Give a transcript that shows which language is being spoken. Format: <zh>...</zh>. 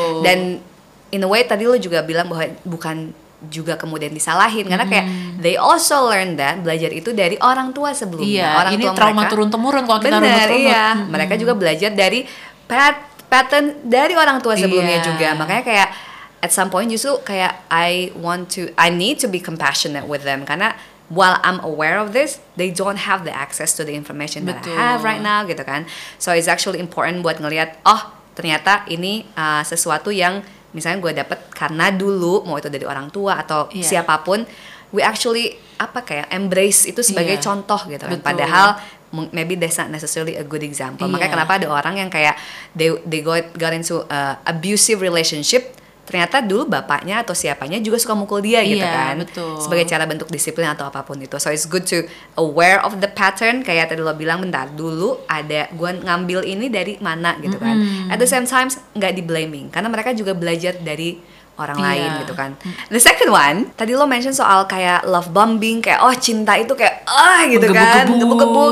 <id>Dan in a way tadi lo juga bilang bahwa bukan juga kemudian disalahin, karena kayak</id> <en>they also learn that,</en> <id>belajar itu dari orang tua sebelumnya. Orang ini tua trauma turun-temurun kalau kita runut-runut. Mereka juga belajar dari pattern dari orang tua sebelumnya juga. Makanya kayak</id> <en>at some point</en> <id>justru kayak</id> <en>I need to be compassionate with them, karena while I'm aware of this, they don't have the access to the information that I have right now,</en> <id>gitu kan.</id> <en>So it's actually important</en> <id>buat ngelihat, oh ternyata ini sesuatu yang misalnya gue dapet karena dulu, mau itu dari orang tua atau siapapun,</id> <en>we actually embrace</en> <id>itu sebagai contoh gitu kan.</id> <en>Padahal maybe that's not necessarily a good example.</en> <id>Makanya kenapa ada orang yang kayak</id> <en>they got into abusive relationship,</en> <id>ternyata dulu bapaknya atau siapanya juga suka mukul dia gitu kan. Sebagai cara bentuk disiplin atau apapun itu.</id> <en>So it's good to aware of the pattern.</en> <id>Kayak tadi lo bilang, bentar, dulu ada gue ngambil ini dari mana gitu kan.</id> <en>At the same time,</en> <id>gak di blaming, karena mereka juga belajar dari orang lain gitu kan.</id> <en>The second one,</en> <id>tadi lo mention soal kayak love bombing, kayak oh cinta itu kayak ah gitu kan, gebu-gebu</id>